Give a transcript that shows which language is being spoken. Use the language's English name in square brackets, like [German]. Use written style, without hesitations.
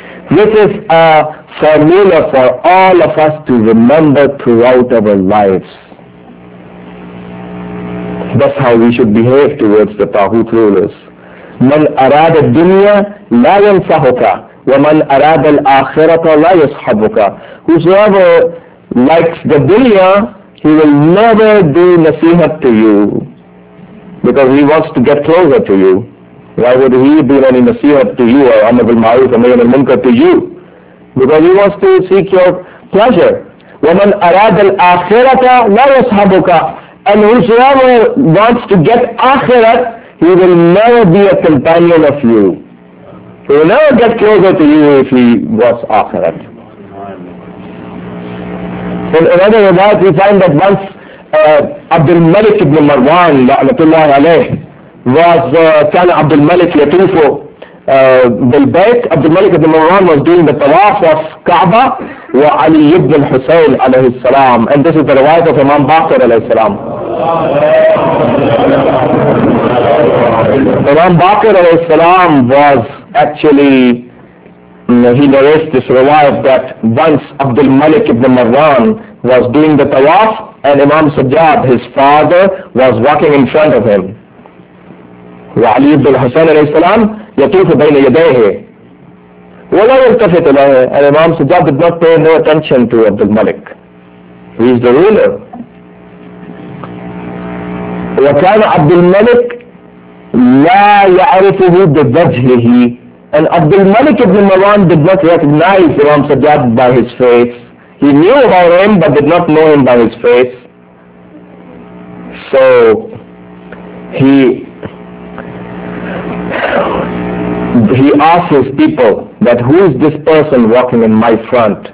[English] This is a formula for all of us to remember throughout our lives. That's how we should behave towards the Tahut rulers. [Arabic] من أراد الدنيا لا ينصحك ومن أراد الآخرة لا يصحبك. [English] Whosoever likes the dunya, he will never do nasihat to you, because he wants to get closer to you. Why would he do any nasihat to you, or amr bil ma'ruf, or nahy anil munkar to you? Because he wants to seek your pleasure. [Arabic] ومن أراد الآخرة لا يصحبك. [English] And whosoever wants to get akhirat, he will never be a companion of you. He will never get closer to you if he was akhirat. In another riwayat, we find that once Abdul Malik ibn Marwan, la'natullahi alayh, was Abdul Malik Yatufu, [Arabic] بالبيت عبد الملك بن مروان [English] was doing the tawaf of Kaaba wa Ali ibn al-Husayn alayhi salam and this is the riwayat of Imam Baqir alayhi salam. Imam Baqir alayhi salam was actually, he narrates this riwayat that once Abd al-Malik ibn Marwan was doing the tawaf and Imam Sajjad, his father, was walking in front of him. [Arabic] وعلي بن الحسين عليه السلام يطوف بين يديه ولا يلتفت إليه. [English] And Imam Sajjad did not pay no attention to Abd al-Malik. He is the ruler. [Arabic] وكان عبد الملك لا يعرفه بوجهه. [English] And Abd al-Malik ibn Marwan did not recognize Imam Sajjad by his face. He knew about him but did not know him by his face. So he asked his people that who is this person walking in my front?